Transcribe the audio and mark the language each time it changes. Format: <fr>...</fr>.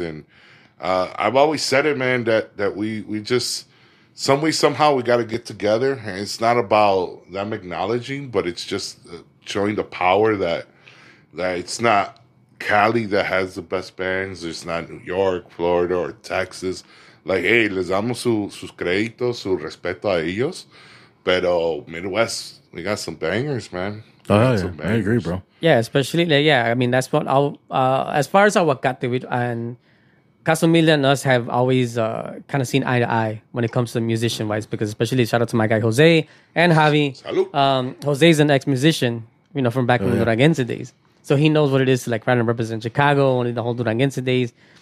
<en>And I've always said it, man, that we just, some way, somehow, we got to get together. And it's not about them acknowledging, but it's just showing the power that it's not Cali that has the best bands. It's not New York, Florida, or Texas.</en> <es>Like, hey, les damos sus créditos, su respeto a ellos.</es> <en>Pero Midwest, we got some bangers, man. Oh, yeah. Some bangers. I agree, bro. Yeah, especially, like, yeah, I mean, that's what I'll, as far as Aguacate and Casa Humilde and us have always kind of seen eye to eye when it comes to musician wise, because especially shout out to my guy Jose and Javi.</en> <es>Salud.</es> <en>Jose's an ex musician, you know, from back in the Duranguense days. So he knows what it is to like run and represent Chicago and the whole Duranguense days.</en>